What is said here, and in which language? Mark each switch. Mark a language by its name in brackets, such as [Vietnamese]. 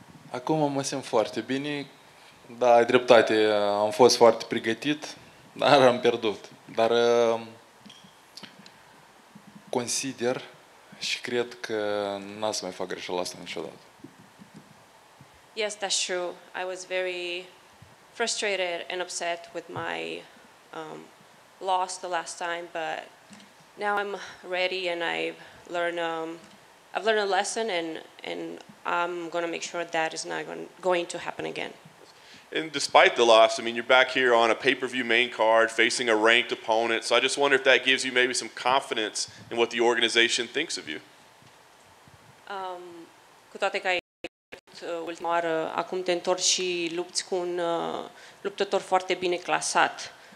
[Romanian] Acum mă simt foarte bine. Da, ai dreptate. Am fost foarte pregătit, dar am pierdut. Dar consider și cred că n-a să mai fac greșeala asta niciodată. [English] Yes, that's true. I was very frustrated and upset with my loss the last time, but now I'm ready and I've learned a lesson and I'm going to make sure that is not going to happen again. And despite the loss, I mean, you're back here on a pay-per-view main card facing a ranked opponent, so I just wonder if that gives you maybe some confidence in what the organization thinks of you. [Romanian] Cu toate că ultima oară, acum te întorci și lupți cu un luptător foarte bine clasat.